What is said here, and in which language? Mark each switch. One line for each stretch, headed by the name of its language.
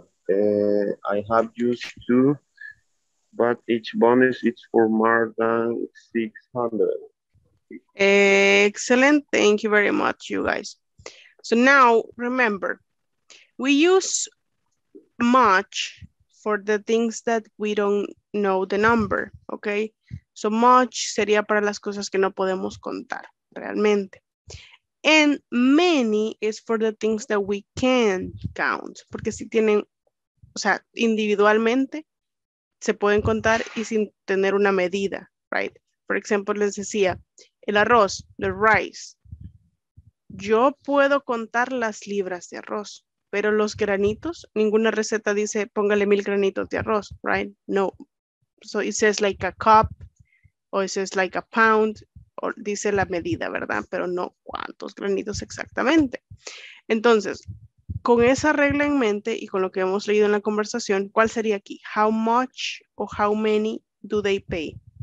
English: I have just 2, but each bonus is for more than $600. Excellent. Thank you very much, you guys. So now, remember, we use much for the things that we don't know the number, okay? So much
Spanish: sería para las cosas que no podemos contar realmente.
English: And many is for the things that we can count.
Spanish: Porque si tienen, o sea, individualmente se pueden contar y sin tener una medida,
English: right?
Spanish: Por ejemplo, les decía, el arroz,
English: the rice.
Spanish: Yo puedo contar las libras de arroz, pero los granitos, ninguna receta dice póngale 1,000 granitos de arroz,
English: right?
Spanish: No.
English: So it says like a cup.
Spanish: O eso es
English: like a pound,
Spanish: o dice la medida, ¿verdad? Pero no cuántos granitos exactamente. Entonces, con esa regla en mente y con lo que hemos leído en la conversación, ¿cuál sería aquí?
English: How much o how many do they pay?